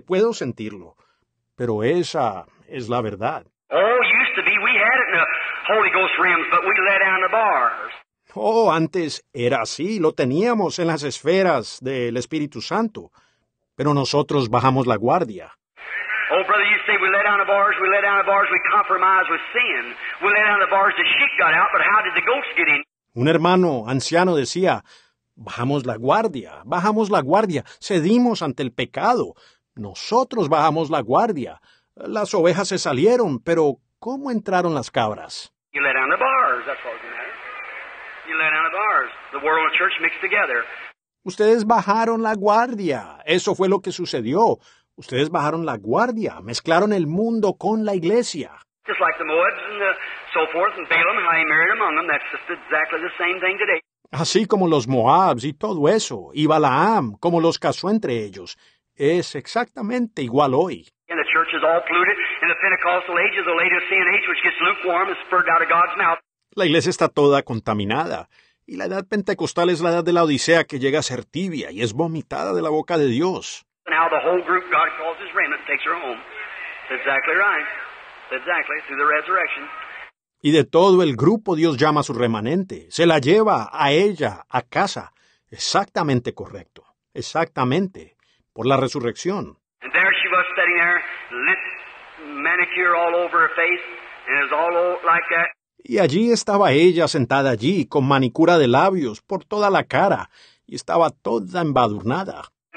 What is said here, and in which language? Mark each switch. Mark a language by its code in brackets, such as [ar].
[es] Puedo sentirlo. Pero esa es la verdad. [en] Oh, used to be we had it in the Holy Ghost realms, but we let down the bars. [es] Oh, antes era así. Lo teníamos en las esferas del Espíritu Santo. Pero nosotros bajamos la guardia. [en] Oh, brother, you say we lay down the bars, we lay down the bars, we compromise with sin. We lay down the bars, the sheep got out, but how did the goats get in? [es] Un hermano anciano decía, bajamos la guardia, bajamos la guardia, cedimos ante el pecado. Nosotros bajamos la guardia. Las ovejas se salieron, pero ¿cómo entraron las cabras? [en] You lay down the bars, that's all you matter. You lay down the bars. The world and church mixed together. [es] Ustedes bajaron la guardia. Eso fue lo que sucedió. Ustedes bajaron la guardia. Mezclaron el mundo con la iglesia. [en] Just like the Moabs and the so forth and Balaam, how he married among them. That's just exactly the same thing today. [es] Así como los Moabs y todo eso. Y Balaam, como los casó entre ellos. Es exactamente igual hoy. [en] And the church is all polluted. In the Pentecostal age is the Laodicean age, which gets lukewarm and spurred out of God's mouth. [es] La iglesia está toda contaminada. Y la edad pentecostal es la edad de la Odisea que llega a ser tibia y es vomitada de la boca de Dios. [en] Now the whole group God calls his remnant takes her home. Exactly right. Exactly, through the resurrection. [es] Y de todo el grupo Dios llama a su remanente. Se la lleva a ella, a casa. Exactamente correcto. Exactamente. Por la resurrección. [en] And there she was sitting there, lit manicure all over her face, and it was all like that. [es] Y allí estaba ella sentada allí, con manicura de labios, por toda la cara, y estaba toda embadurnada.